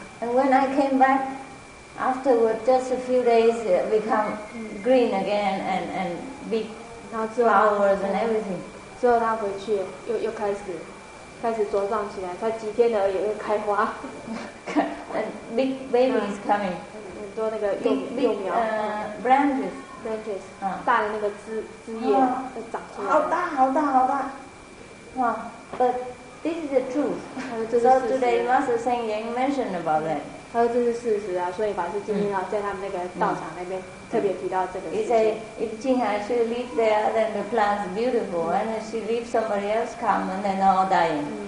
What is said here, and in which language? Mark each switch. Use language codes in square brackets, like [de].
[en] And when I came back, afterward, just a few days, it become green again and big flowers and everything. [zh] 之后他回去又开始茁壮起来，才几天而已又开花。 [en] And big babies coming. [zh] 很多那个幼苗。 [en] Branches. [zh] 大的那个枝叶长出来，好大好大好大，哇！ [en] But this is the truth. So today, Master Seng Ying mentioned about that. [zh] 他说这是事实啊，所以法师今天在他们那个道场那边特别提到这个事情。 [en] He said, if Jinghai should leave there, then the plant's beautiful, and she leave somebody else come, and then all dying.